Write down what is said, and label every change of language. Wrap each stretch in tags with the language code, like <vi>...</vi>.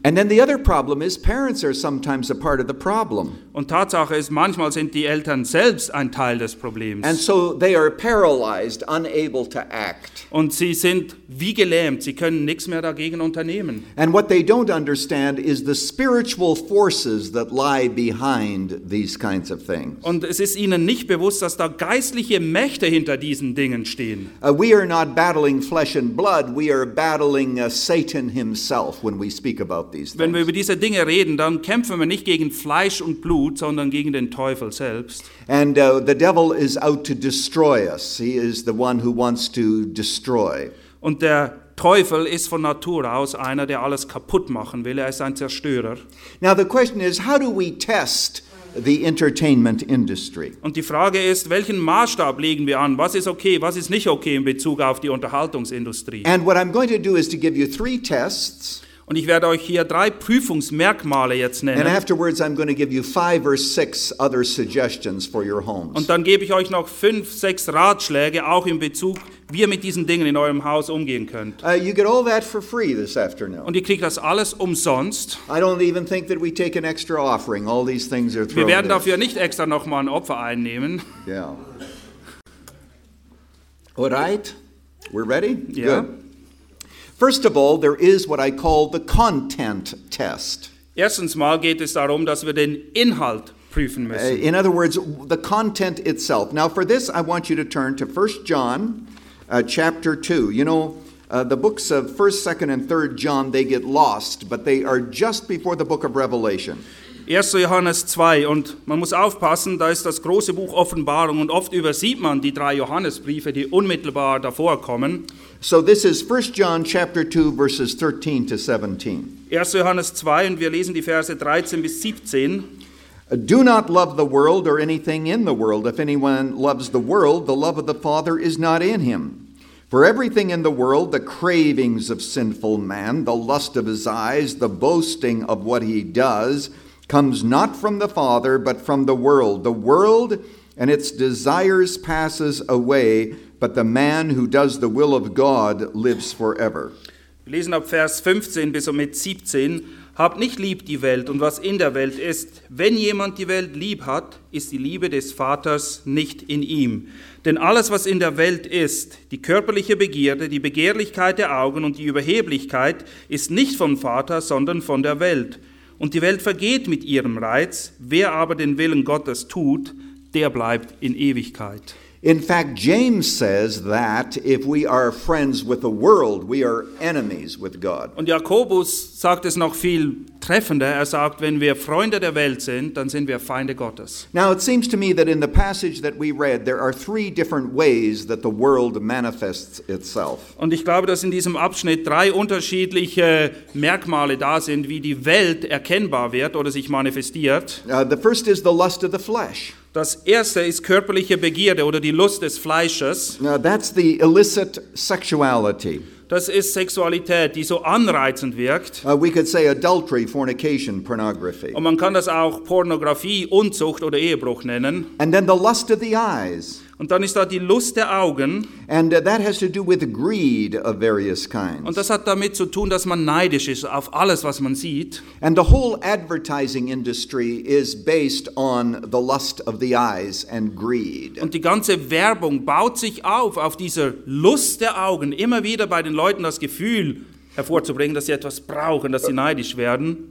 <en>And then the other problem is, parents are sometimes a part of the problem.</en> <de>Und Tatsache ist, manchmal sind die Eltern selbst ein Teil des Problems.</de> <en>And so they are paralyzed, unable to act.</en> <de>Und sie sind wie gelähmt, sie können nichts mehr dagegen unternehmen.</de> <en>And what they don't understand is the spiritual forces that lie behind these kinds of things.</en> <de>Und es ist ihnen nicht bewusst, dass da geistliche Mächte hinter diesen Dingen stehen.</de> <en>We are not battling flesh and blood, we are battling Satan himself when we speak about these things.</en> <de>Wenn wir über diese Dinge reden, dann kämpfen wir nicht gegen Fleisch und Blut, sondern gegen den Teufel selbst.</de> <en>And the devil is out to destroy us. He is the one who wants to destroy.</en> <de>Und der Teufel ist von Natur aus einer, der alles kaputt machen will. Er ist ein Zerstörer.</de> <en>Now the question is, how do we test the entertainment industry?</en> <de>Und die Frage ist, welchen Maßstab legen wir an? Was ist okay, was ist nicht okay in Bezug auf die Unterhaltungsindustrie?</de> <en>And what I'm going to do is to give you three tests.</en> <de>Und ich werde euch hier drei Prüfungsmerkmale jetzt nennen.</de> <en>And afterwards I'm going to give you five or six other suggestions for your homes.</en> <de>Und dann gebe ich euch noch 5, 6 Ratschläge auch in Bezug, wie ihr mit diesen Dingen in eurem Haus umgehen könnt.</de> <en>You get all that for free this afternoon.</en> <de>Und ihr kriegt das alles umsonst.</de> <en>I don't even think that we take an extra offering. All these things are thrown.</en> <de>Wir werden dafür nicht extra noch mal ein Opfer einnehmen.</de> <en>Yeah. All right. We're ready? Yeah. Good. First of all, there is what I call the content test.</en> <de>Erstens mal geht es darum, dass wir den Inhalt prüfen müssen.</de> <en>In other words, the content itself. Now for this, I want you to turn to 1 John chapter 2. You know, the books of 1, 2 and 3 John, they get lost, but they are just before the book of Revelation.</en> <de>1. Johannes 2, und man muss aufpassen, da ist das große Buch Offenbarung, und oft übersieht man die drei Johannesbriefe, die unmittelbar davor kommen.</de> <en>So this is 1 John chapter 2, verses 13 to 17.</en> <de>1. Johannes 2, und wir lesen die Verse 13 bis 17.</de> <en>Do not love the world or anything in the world. If anyone loves the world, the love of the Father is not in him. For everything in the world, the cravings of sinful man, the lust of his eyes, the boasting of what he does, comes not from the Father, but from the world. The world and its desires passes away, but the man who does the will of God lives forever.</en> <de>Wir lesen ab Vers 15 bis und mit 17. Habt nicht lieb die Welt und was in der Welt ist. Wenn jemand die Welt lieb hat, ist die Liebe des Vaters nicht in ihm. Denn alles, was in der Welt ist, die körperliche Begierde, die Begehrlichkeit der Augen und die Überheblichkeit, ist nicht vom Vater, sondern von der Welt. Und die Welt vergeht mit ihrem Reiz. Wer aber den Willen Gottes tut, der bleibt in Ewigkeit.</de> <en>In fact, James says that if we are friends with the world, we are enemies with God.</en> <de>Und Jakobus sagt es noch viel treffender. Er sagt, wenn wir Freunde der Welt sind, dann sind wir Feinde Gottes.</de> <en>Now, it seems to me that in the passage that we read, there are three different ways that the world manifests itself.</en> <de>Und ich glaube, dass in diesem Abschnitt drei unterschiedliche Merkmale da sind, wie die Welt erkennbar wird oder sich manifestiert.</de> <en>The first is the lust of the flesh.</en> <de>Das erste ist körperliche Begierde oder die Lust des Fleisches.</de> <en>Now that's the illicit sexuality.</en> <de>Das ist Sexualität, die so anreizend wirkt.</de> <en>We could say adultery, fornication, pornography.</en> <de>Und man kann das auch Pornografie, Unzucht oder Ehebruch nennen.</de> <en>And then the lust of the eyes.</en> <de>Und dann ist da die Lust der Augen.</de> <en>And that has to do with greed of various kinds.</en> <de>Und das hat damit zu tun, dass man neidisch ist auf alles, was man sieht.</de> <en>And the whole advertising industry is based on the lust of the eyes and greed.</en> <de>Und die ganze Werbung baut sich auf dieser Lust der Augen, immer wieder bei den Leuten das Gefühl hervorzubringen, dass sie etwas brauchen, dass sie neidisch werden.</de>